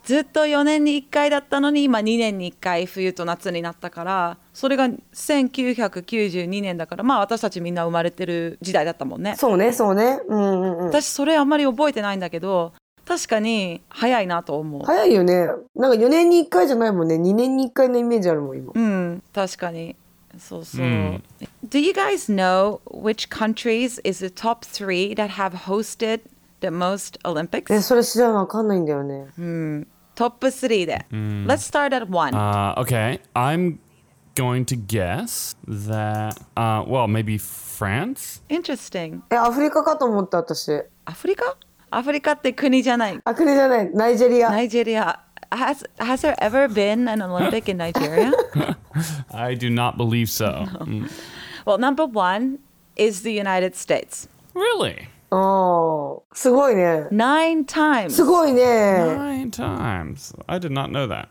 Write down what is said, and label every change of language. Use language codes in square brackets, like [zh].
[ja] ずっと4年に1回だったのに今2年に1回冬と夏になったから、それが1992年だから、まあ私たちみんな生まれてる時代だったもんね。そうね、そうね。私それあんまり覚えてないんだけど、確かに早いなと思う。早いよね。なんか4年に1回じゃないもんね。2年に1回のイメージあるもん今。うん、確かに。そうそう。 [en] Do you guys know which countries is the top three that have hosted the most Olympics? [ja] それ知らない、わかんないんだよね。うん。トップ3で。 [en] Let's start at one. Okay. I'm going to guess that, maybe France? Interesting. [ja] アフリカかと思った私。アフリカ？アフリカって国じゃない。あ、国じゃない。ナイジェリア。ナイジェリア。 [en] Has there ever been an Olympic in Nigeria? I do not believe so. No. Well, number one is the United States. Really? [ja] Oh, すごいね。 [en] Nine times. [ja] すごいね。 [en] Nine times. I did not know that.